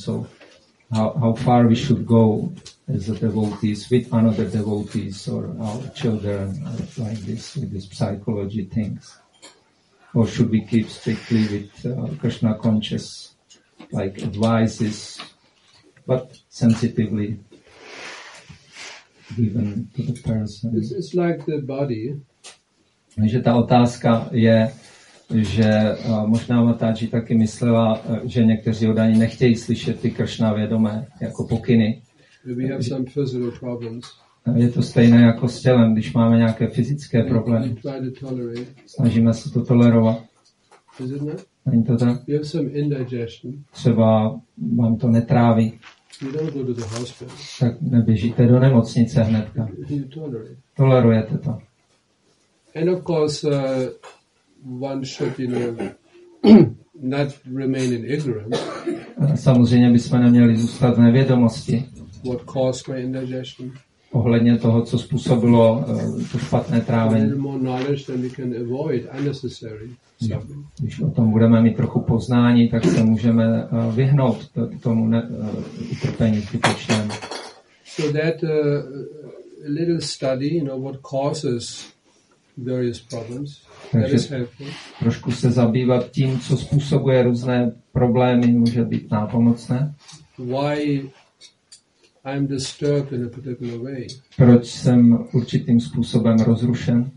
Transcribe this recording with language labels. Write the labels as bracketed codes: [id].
[en] So how far we should go as a devotees with another devotees or our children or like this with these psychology things, or should we keep strictly with Krishna conscious like advices but sensitively given to the person? It's like the body. [cs] Že ta otázka je, že možná Matáči taky myslela, že někteří oddaní nechtějí slyšet ty Krishna vědomé jako pokyny. [en] We have some physical problems. [cs] Je to stejné jako s tělem, když máme nějaké fyzické problémy. Snažíme se to tolerovat. [en] Is it not? [cs] Není to tak? [en] You have some indigestion. [cs] Třeba vám to netráví. [en] You don't go to the hospital. [cs] Tak neběžíte do nemocnice hnedka. [en] You tolerate. [cs] Tolerujete to. [en] And of course, one should, you know, not remain in ignorance. [cs] Samozřejmě bychom neměli zůstat v nevědomosti. [en] What caused my indigestion? [cs] Ohledně toho, co způsobilo to špatné trávení. [en] A little more knowledge, then we can avoid unnecessary suffering. [cs] Když o tom budeme mít trochu poznání, tak se můžeme vyhnout tomu utrpení zbytečnému. [en] So that little study, you know, what causes various problems. [cs] Takže trošku se zabývat tím, co způsobuje různé problémy, může být nápomocné. [en] Why I'm disturbed in a particular way. [cs] Proč jsem určitým způsobem rozrušen?